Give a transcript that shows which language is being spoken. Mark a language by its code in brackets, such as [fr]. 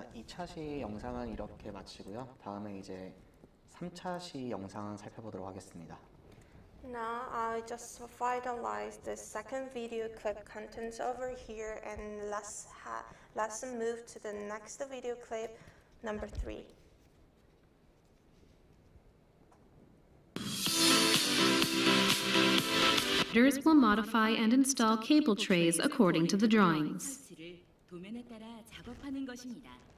[ko] 2차시 영상은 이렇게 마치고요. 다음에 이제 3차시 영상을 살펴보도록 하겠습니다. [en] Now I just finalized the second video clip contents over here and let's move to the next video clip number 3. Builders will modify and install cable trays according to the drawings. [ko] 도면에 따라 작업하는 것입니다.